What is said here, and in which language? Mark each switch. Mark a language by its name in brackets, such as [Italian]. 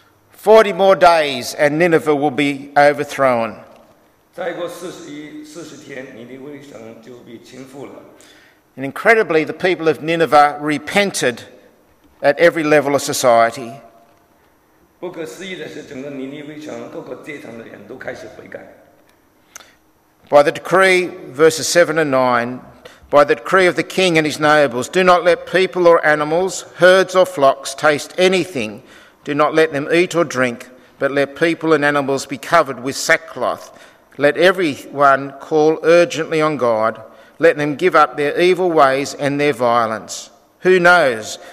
[English] Forty more days and Nineveh will be overthrown. And incredibly, the people of Nineveh repented at every level of society. [Chinese] 不可思议的是，整个尼尼微城各个阶层的人都开始悔改。 [English] By the decree, verses 7 and 9, by the decree of the king and his nobles, do not let people or animals, herds or flocks taste anything. Do not let them eat or drink, but let people and animals be covered with sackcloth. Let everyone call urgently on God. Let them give up their evil ways and their violence. Who knows?